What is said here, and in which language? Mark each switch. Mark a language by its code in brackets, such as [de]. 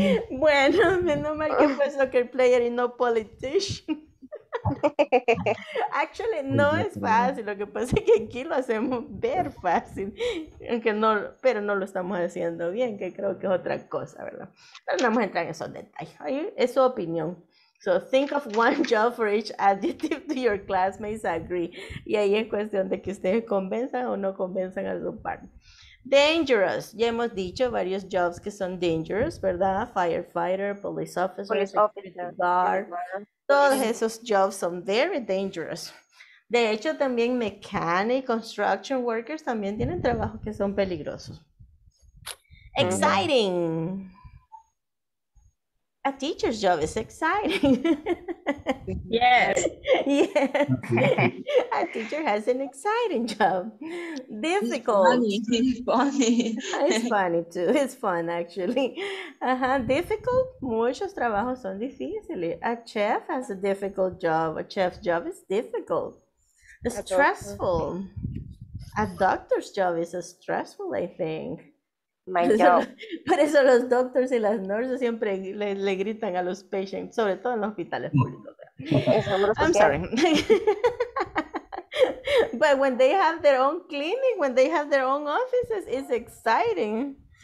[es] Bueno, menos mal que fue soccer player y no politician. Actually, no es fácil. Lo que pasa es que aquí lo hacemos ver fácil, aunque no, pero no lo estamos haciendo bien, que creo que es otra cosa, ¿verdad? Pero no vamos a entrar en esos detalles. Es su opinión. [en] So, think of one job for each adjective to your classmates. Agree. [es] Y ahí es cuestión de que ustedes convenzan o no convenzan a su par. Dangerous. Ya hemos dicho varios jobs que son dangerous, ¿verdad? [en] Firefighter, police officer, police officer, [es] guard. Todos esos jobs son [en] very dangerous. [es] De hecho, también mechanic, construction workers también tienen trabajos que son peligrosos. [en] Uh-huh. Exciting. A teacher's job is exciting. Yes. Yeah. A teacher has an exciting job. Difficult. It's funny. It's funny too. It's fun actually. Uh-huh. Difficult. [es] Muchos trabajos son difíciles. [en] A chef has a difficult job. A chef's job is difficult. Stressful. A doctor's job is stressful, I think. [es] Por eso los doctors y las nurses siempre le gritan a los patients, sobre todo en los hospitales públicos. [en] I'm sorry. But when they have their own clinic, when they have their own offices, it's exciting.